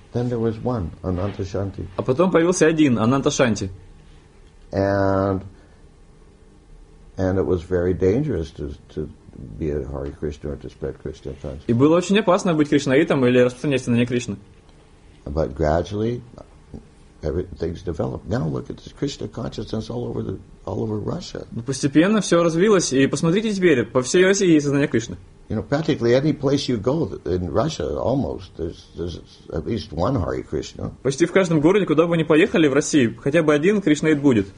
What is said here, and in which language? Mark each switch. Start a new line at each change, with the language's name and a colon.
English: Then there was one, Ananta Shanti.
Russian: А потом появился один, Ананта Шанти.
English: And it was very dangerous to be a Hare Krishna or to spread Krishna consciousness.
Russian: И было очень опасно быть кришнаитом или распространять сознание Кришны.
English: But gradually, everything's developed. Now look at this Krishna consciousness all over Russia.
Russian: Постепенно все развилось, и посмотрите теперь, по всей России есть сознание Кришны.
English: You know, practically any place you go in Russia, almost there's at least one Hare Krishna.
Russian: Почти в каждом городе, куда бы ни поехали в России, хотя бы один кришнаит будет.